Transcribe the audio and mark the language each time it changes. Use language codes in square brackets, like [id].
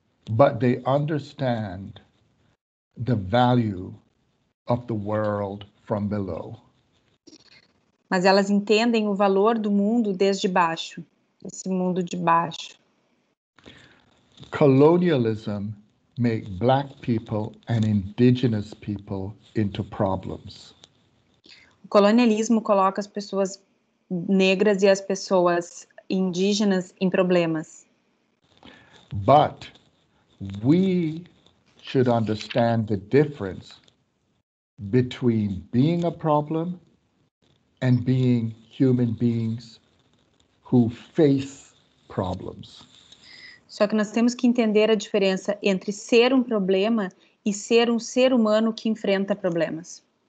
[en] But they understand the value of the world from below. [pt] Mas elas entendem o valor do mundo desde baixo, esse mundo de baixo. [en] Colonialism make black people and indigenous people into problems. [pt] O colonialismo coloca as pessoas negras e as pessoas indígenas em problemas. [en] But we should understand the difference between being a problem and being human beings who face problems. [pt] Só que nós temos que entender a diferença entre ser um problema e ser um ser humano que enfrenta problemas.